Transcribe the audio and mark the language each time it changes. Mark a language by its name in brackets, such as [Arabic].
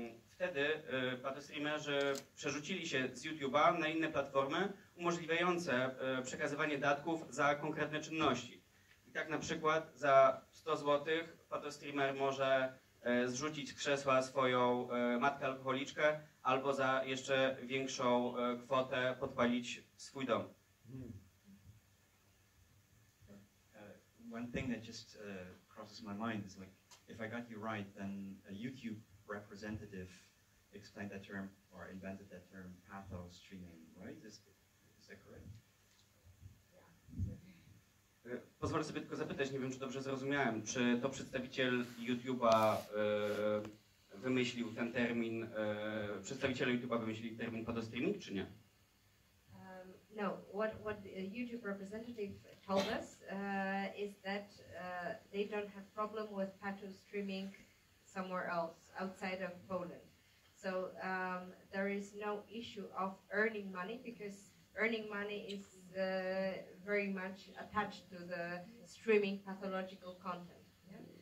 [Polish] Wtedy Pazo streamerzy przerzucili się z YouTube'a na inne platformy umożliwiające przekazywanie datków za konkretne czynności. I tak na przykład za 100 zł Pazo streamer może zrzucić z krzesła swoją matkę alkoholiczkę albo za jeszcze większą kwotę podpalić swój dom. [English] One thing that just crosses my mind is like, if I got you right, then a YouTube representative explained that term or invented that term, patho streaming, right? Is that correct? [Polish] Pozwolę sobie tylko zapytać, nie wiem, czy dobrze zrozumiałem, czy to przedstawiciel YouTube'a wymyślił ten termin, przedstawiciele YouTube'a wymyślili termin patho streaming, czy nie? [English] No, what the YouTube representative told us is that they don't have problem with patho streaming somewhere else, outside of Poland. So there is no issue of earning money, because earning money is very much attached to the streaming pathological content. Yeah?